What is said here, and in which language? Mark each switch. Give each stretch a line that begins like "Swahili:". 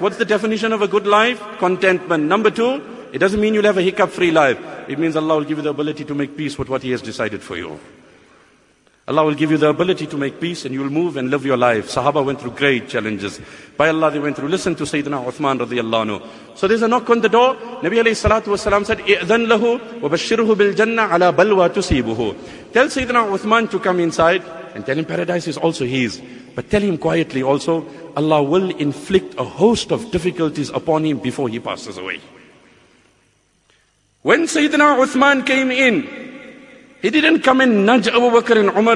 English: What's the definition of a good life? Contentment. Number two, it doesn't mean you'll have a hiccup-free life. It means Allah will give you the ability to make peace with what He has decided for you. Allah will give you the ability to make peace and you'll move and live your life. Sahaba went through great challenges. By Allah, they went through. Listen to Sayyidina Uthman radiallahu anhu. So there's a knock on the door.
Arabic: Nabi alayhi salatu wasalam said, إِذَنْ لَهُ وَبَشِّرْهُ بِالْجَنَّةِ عَلَى بَلْوَى تُسِيبُهُ.
English: Tell Sayyidina Uthman to come inside and tell him paradise is also his. But tell him quietly also, Allah will inflict a host of difficulties upon him before he passes away. When Sayyidina Uthman came in, he didn't come and nudge Abu Bakr and Umar.